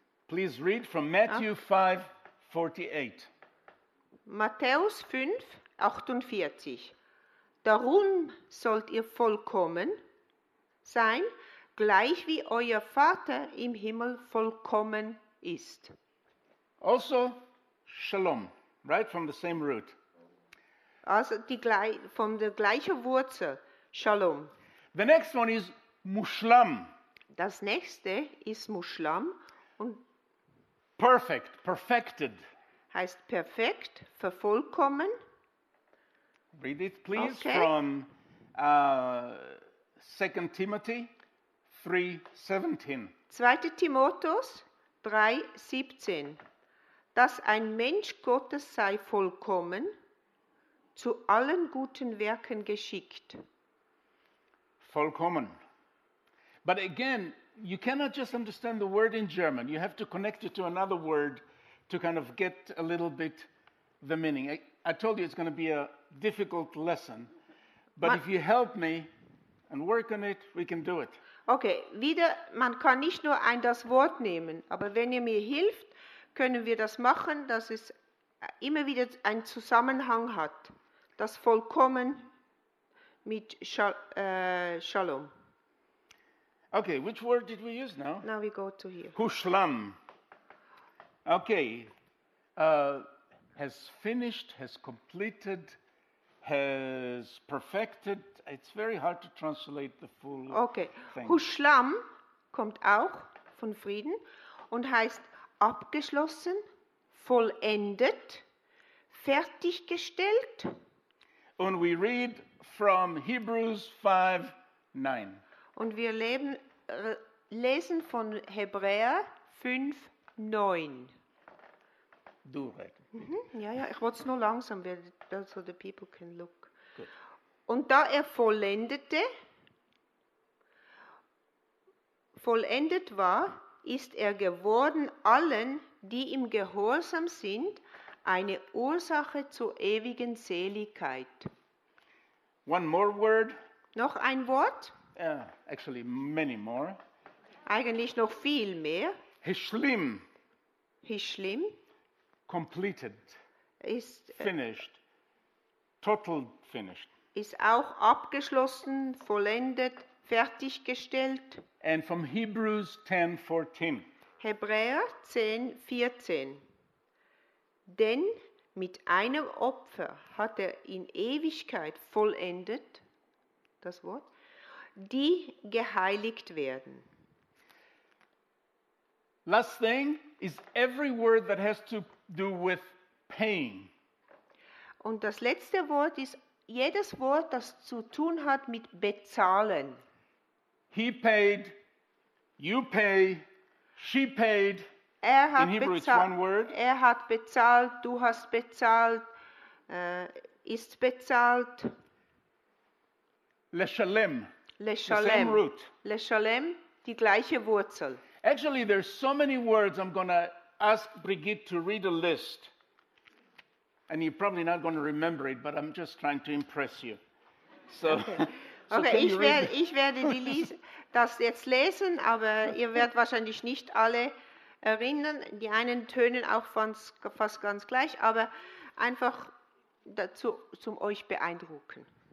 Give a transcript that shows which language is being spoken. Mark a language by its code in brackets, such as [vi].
[en] Please read from Matthew 5:48. [de] Matthäus 5, 48. Darum sollt ihr vollkommen sein, gleich wie euer Vater im Himmel vollkommen ist. [en] Also, Shalom, right from the same root. [de] Also, von der gleichen Wurzel, Shalom. [en] The next one is Mushlam. [de] Das nächste ist Mushlam. Und [en] perfect, perfected. [de] Heißt perfekt, vervollkommen. [en] Read it, please, okay. From 2 Timothy 3:17. [de] 2 Timotheus 3:17. Dass ein Mensch Gottes sei vollkommen, zu allen guten Werken geschickt. Vollkommen. [en] But again, you cannot just understand the word in German. You have to connect it to another word to kind of get a little bit the meaning. I told you it's going to be a difficult lesson, but if you help me and work on it, we can do it. [de] Okay, wieder, man kann nicht nur ein das Wort nehmen, aber wenn ihr mir hilft, können wir das machen, dass es immer wieder einen Zusammenhang hat, das Vollkommen mit Shalom. [en] Okay, which word did we use now? Now we go to here. Hushlam. Okay, has finished, has completed, has perfected. It's very hard to translate the full thing. [de] Okay, Hushlam kommt auch von Frieden und heißt abgeschlossen, vollendet, fertiggestellt. [en] And we read from Hebrews 5:9. [de] Und wir lesen von Hebräer 5:9. Du redest. Ja, ich wollte es nur langsam werden, [en] so the people can look. Good. [de] Und da er vollendet war, ist er geworden allen, die ihm gehorsam sind, eine Ursache zur ewigen Seligkeit. [en] One more word. [de] Noch ein Wort. [en] Actually, many more. [de] Eigentlich noch viel mehr. [he] Hishlim. Hishlim. [en] Completed, [de] ist, [en] finished, total finished. [de] Ist auch abgeschlossen, vollendet, fertiggestellt. [en] And from Hebrews 10:14. [de] Hebräer 10:14. Denn mit einem Opfer hat er in Ewigkeit vollendet, das Wort, die geheiligt werden. [en] Last thing is every word that has to do with pain. [de] Und das letzte Wort ist jedes Wort, das zu tun hat mit bezahlen. [en] He paid, you pay, she paid. [de] Er hat bezahlt. Er hat bezahlt, du hast bezahlt, ist bezahlt. [he] Leshalem. Leshalem. [en] The same root. [de] Leshalem, die gleiche Wurzel. [en] Actually, there's so many words I'm going to ask Brigitte to read a list. And you're probably not going to remember it, but I'm just trying to impress you. So, [de] okay, so okay, ich werde das jetzt lesen, aber ihr werdet wahrscheinlich nicht alle erinnern. Die einen tönen auch fast ganz gleich, aber einfach dazu, zum euch beeindrucken.